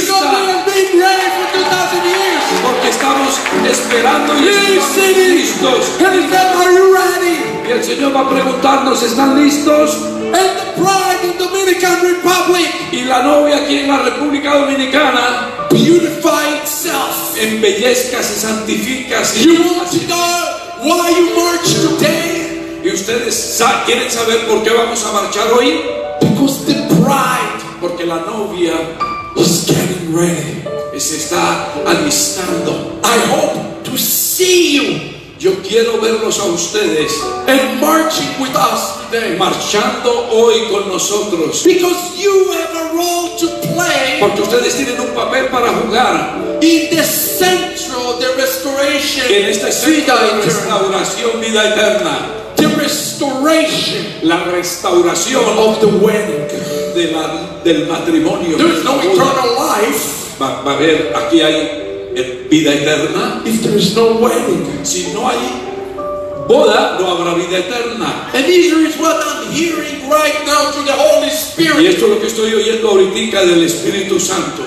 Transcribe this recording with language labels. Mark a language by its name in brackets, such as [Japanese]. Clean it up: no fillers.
[English] Because we have been ready for 2,000 years. [Spanish] Porque estamos esperando y estamos listos. [English] And he said, are you ready? [Spanish] Y el Señor va a preguntarnos, ¿están listos? [English] And the bride in Dominican Republic. [Spanish] Y la novia aquí en la República Dominicana. [English] Beautify itself. [Spanish] Embellezcase, santifícase. [English] You want to know why you march today? [Spanish] ¿Y ustedes quieren saber por qué vamos a marchar hoy? [English] Because the bride, [Spanish] porque la novia [English] is getting ready. [Spanish] Se está alistando. [English] I hope to see you. [Spanish] Yo quiero verlos a ustedes. [English] And marching with us today. [Spanish] Marchando hoy con nosotros. [English] Because you have a role to play. [Spanish] Porque ustedes tienen un papel para jugar. [English] In the center of the restoration. [Spanish] En este centro de restauración, vida eterna. [English] Restoration, [Spanish] la restauración [English] of the wedding, [Spanish] del matrimonio. [English] There is no eternal life. [Spanish] Va a ver, aquí hay vida eterna. [English] If there is no wedding, [Spanish] si no hay boda, no habrá vida eterna. [English] And here is what I'm hearing right now through the Holy Spirit. [Spanish] Y esto es lo que estoy oyendo ahorita del Espíritu Santo.